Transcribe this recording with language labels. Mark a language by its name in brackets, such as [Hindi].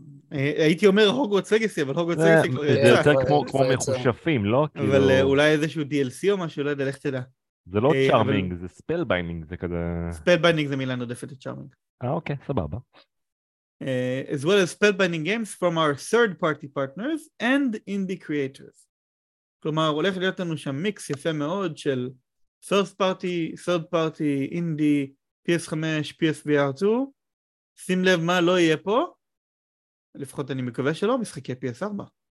[Hebrew] הייתי אומר הוגוורטס לגאסי, אבל הוגוורטס לגאסי כבר יצא. זה יותר כמו מחושפים, לא? אבל אולי איזשהו DLC או משהו, לא יודע, לך תדע. זה לא צ'ארמינג, זה ספלביינינג, זה כזה... ספלביינינג זה מילה נודפת לצ'ארמינג. אה, אוקיי, סבבה. [English] As well as spellbinding games from our third party partners and indie creators. [Hebrew] כלומר, הולך להיות לנו שם מיקס יפה מאוד של third party, indie, PS5, PSVR 2. שים לב מה לא יהיה פה. לפחות אני מקווה שלא, משחקי PS4.